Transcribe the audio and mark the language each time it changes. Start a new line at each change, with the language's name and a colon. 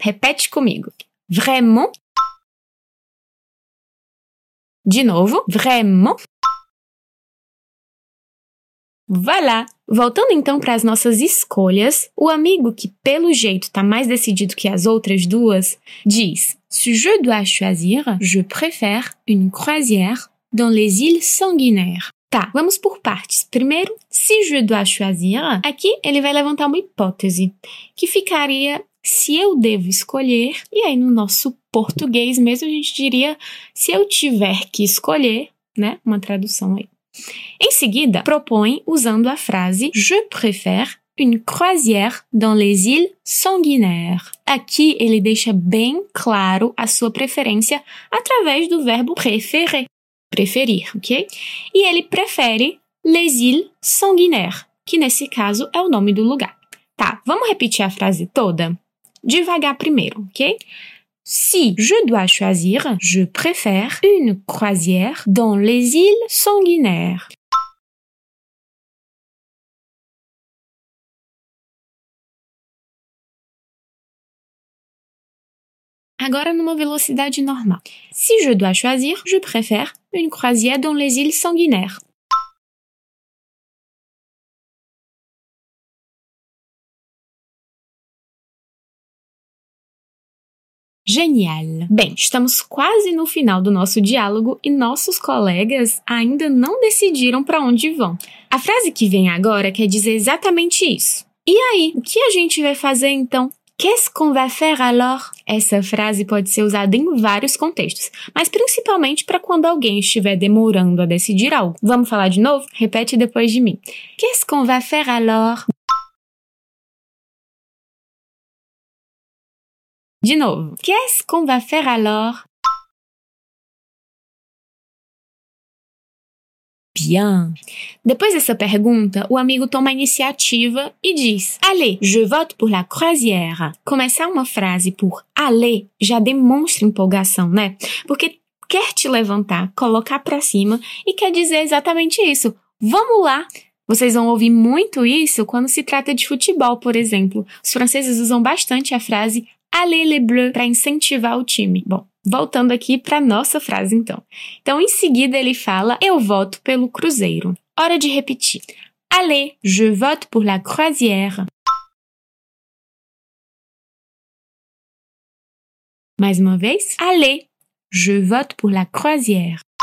Portuguese: Repete comigo. Vraiment. De novo. Vraiment.
French: Voilà.
Portuguese: Voltando então para as nossas escolhas, o amigo que, pelo jeito, está mais decidido que as outras duas, diz...
French: Si je dois choisir, je préfère une croisière dans les îles sanguinaires.
Portuguese: Tá, vamos por partes. Primeiro,
French: si je dois choisir,
Portuguese: aqui ele vai levantar uma hipótese, que ficaria se eu devo escolher, e aí no nosso português mesmo a gente diria se eu tiver que escolher, né, uma tradução aí. Em seguida, propõe usando a frase
French: je préfère Une croisière dans les îles sanguinaires.
Portuguese: Aqui ele deixa bem claro a sua preferência através do verbo préférer. Preferir, ok? E ele prefere les îles sanguinaires, que nesse caso é o nome do lugar. Tá, vamos repetir a frase toda? Devagar primeiro, ok?
French: Si je dois choisir, je préfère une croisière dans les îles sanguinaires.
Portuguese: Agora numa velocidade normal.
French: Si je dois choisir, je préfère une croisière dans les îles sanguinaires.
Portuguese: Genial! Bem, estamos quase no final do nosso diálogo e nossos colegas ainda não decidiram para onde vão. A frase que vem agora quer dizer exatamente isso. E aí, o que a gente vai fazer então?
French: Qu'est-ce qu'on va faire alors?
Portuguese: Essa frase pode ser usada em vários contextos, mas principalmente para quando alguém estiver demorando a decidir algo. Vamos falar de novo? Repete depois de mim.
French: Qu'est-ce qu'on va faire alors?
Portuguese: De novo.
French: Qu'est-ce qu'on va faire alors?
Portuguese: Bien. Depois dessa pergunta, o amigo toma a iniciativa e diz:
French: Allez, je vote pour la croisière.
Portuguese: Começar uma frase por aller já demonstra empolgação, né? Porque quer te levantar, colocar pra cima e quer dizer exatamente isso. Vamos lá! Vocês vão ouvir muito isso quando se trata de futebol, por exemplo. Os franceses usam bastante a frase
French: Allez les bleus,
Portuguese: para incentivar o time. Bom, voltando aqui para a nossa frase, então. Então, em seguida, ele fala, eu voto pelo cruzeiro. Hora de repetir.
French: Allez, je vote pour la croisière.
Portuguese: Mais uma vez.
French: Allez, je vote pour la croisière.